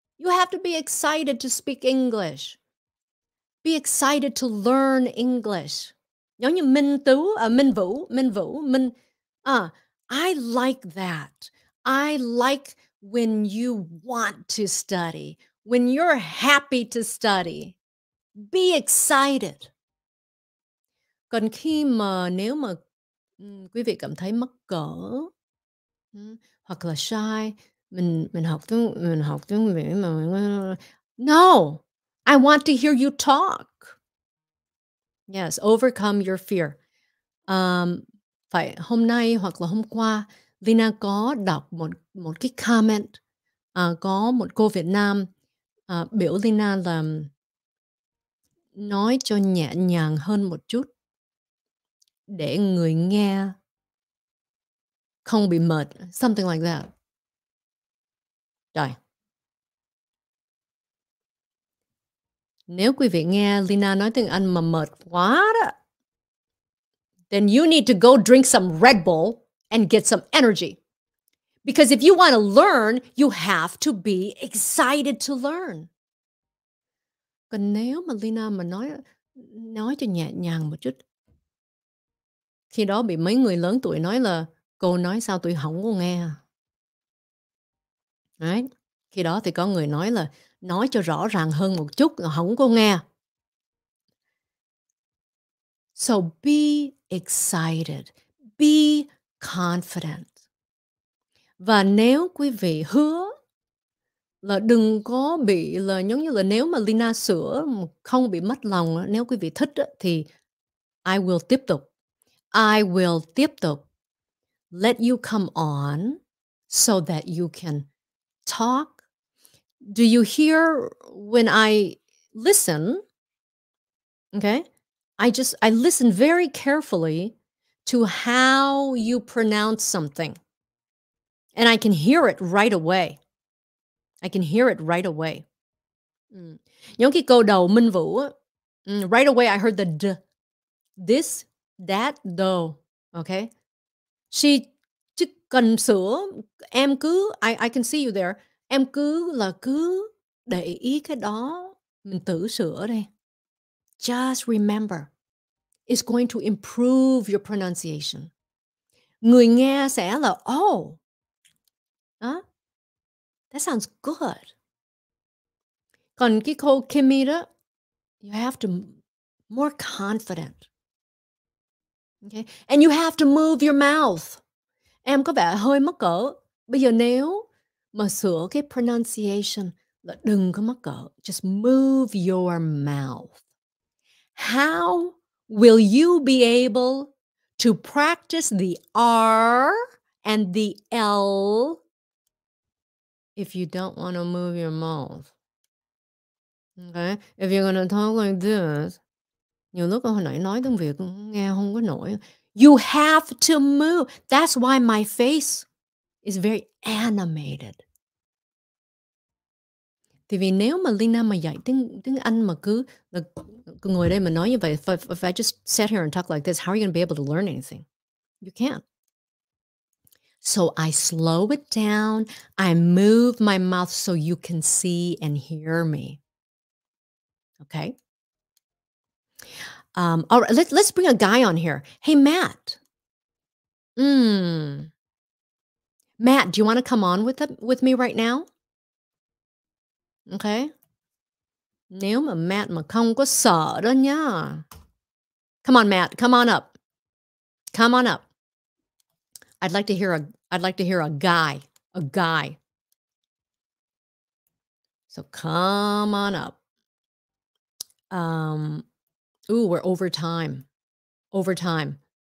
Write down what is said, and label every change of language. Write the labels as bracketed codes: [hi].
[en] You have to be excited to speak English. Be excited to learn English. [vi] Giống như Minh Vũ, [en] I like that. I like when you want to study, when you're happy to study. Be excited. [vi] Còn khi mà nếu mà quý vị cảm thấy mắc cỡ hoặc là shy, mình học tiếng [en] No, I want to hear you talk. Yes, overcome your fear. [vi] Phải hôm nay hoặc là hôm qua, Leyna có đọc một cái comment, có một cô Việt Nam biểu Leyna là nói cho nhẹ nhàng hơn một chút để người nghe không bị mệt, [en] something like that. [vi] Rồi. Nếu quý vị nghe Leyna nói tiếng Anh mà mệt quá đó, [en] then you need to go drink some Red Bull and get some energy. Because if you want to learn, you have to be excited to learn. [vi] Còn nếu mà Leyna mà nói cho nhẹ nhàng một chút, khi đó bị mấy người lớn tuổi nói là cô nói sao tôi không có nghe. Đấy. Khi đó thì có người nói là nói cho rõ ràng hơn một chút, không có nghe. [en] So be excited, be confident. [vi] Và nếu quý vị hứa là đừng có bị là giống như là nếu mà Leyna sửa không bị mất lòng, nếu quý vị thích thì [en] I will [vi] tiếp tục. [en] I will [vi] tiếp tục [en] let you come on so that you can talk. Do you hear when I listen? Okay? I listen very carefully to how you pronounce something. And I can hear it right away. I can hear it right away. [vi] Những cái câu đầu Minh Vũ, [en] right away I heard the d. This, that, though. Okay? She [vi] chứ cần sửa, em cứ, [en] I can see you there. [vi] Em cứ là cứ để ý cái đó, mình tự sửa đi. [en] Just remember, it's going to improve your pronunciation. [vi] Người nghe sẽ là, [en] oh, that sounds good. [vi] Còn cái câu Kimmy đó, [en] you have to more confident. Okay? And you have to move your mouth. [vi] Em có vẻ hơi mắc cỡ. Bây giờ nếu mà sửa cái pronunciation là đừng có mắc cỡ. [en] Just move your mouth. How will you be able to practice the R and the L if you don't want to move your mouth? Okay? If you're going to talk like this, [vi] nhiều lúc hồi nãy nói tiếng Việt nghe không có nổi. [en] You have to move. That's why my face is very animated. [vi] Thì vì nếu mà Leyna mà dạy tiếng Anh mà cứ ngồi đây mà nói như vậy, [en] if I just sat here and talk like this, [vi] how are you going to be able to learn anything? [en] You can't. So I slow it down. I move my mouth so you can see and hear me. Okay? All right, let's bring a guy on here. Hey, Matt. Matt, do you want to come on with me right now? Okay. [vi] Nếu mà Matt mà không có sợ đó nha. [en] Come on, Matt. Come on up. Come on up. I'd like to hear a guy. A guy. So come on up. Ooh, we're over time. Over time.